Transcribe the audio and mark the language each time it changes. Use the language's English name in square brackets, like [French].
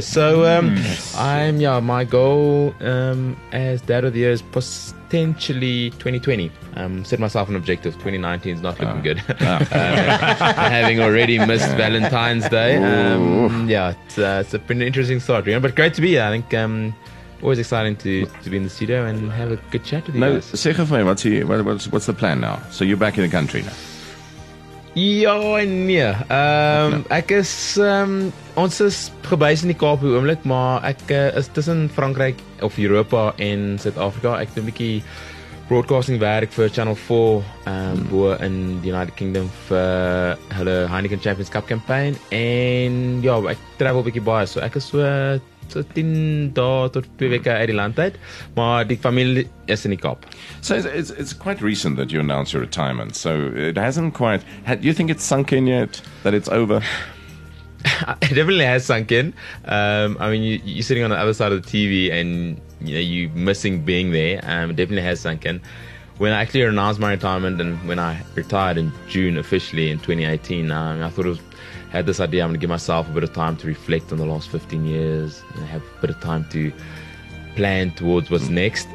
[English] So, my goal as Dad of the Year is potentially 2020. Set myself an objective. 2019 is not looking good. having already missed Valentine's Day. It's been an interesting start, Rian. But great to be here. I think always exciting to be in the studio and have a good chat with you guys. Say for me, what's the plan now? So you're back in the country now. [Afrikaans] Ek is ons is gebuis in die Kaap hier oomblik, maar ek is tussen Frankryk of Europa en Suid-Afrika. Ek doen 'n bietjie broadcasting werk vir Channel 4 bo in die United Kingdom vir hulle Heineken Champions Cup campaign en ek travel 'n bietjie baie, so ek is so 10 dae tot 2 weke uit die land uit, maar die familie is in die Kaap. [English] So it's quite recent that you announced your retirement, so it hasn't quite, do you think it's sunk in yet, that it's over? It definitely has sunk in. You're sitting on the other side of the TV and you're missing being there. It definitely has sunk in. When I actually announced my retirement and when I retired in June officially in 2018, I thought it was, had this idea, I'm going to give myself a bit of time to reflect on the last 15 years and have a bit of time to plan towards what's next.